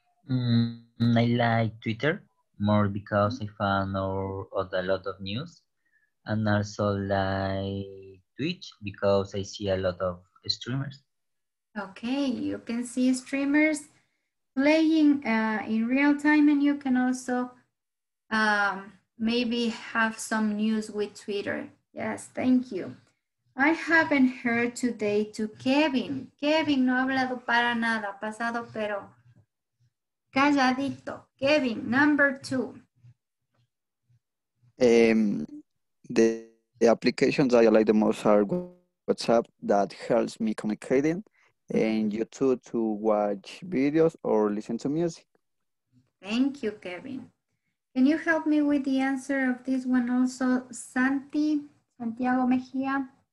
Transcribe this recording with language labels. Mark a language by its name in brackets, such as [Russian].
[English] I like Twitter more because I found a lot of news, and also like Twitch because I see a lot of streamers. Okay, you can see streamers playing in real time, and you can also maybe have some news with Twitter. Yes, thank you. I haven't heard today to Kevin. [Spanish] Kevin no ha hablado para nada, pasado pero calladito. [English] Kevin, number two. The applications I like the most are WhatsApp that helps me communicating, and YouTube to watch videos or listen to music. Thank you, Kevin. Can you help me with the answer of this one also, Santiago Mejia?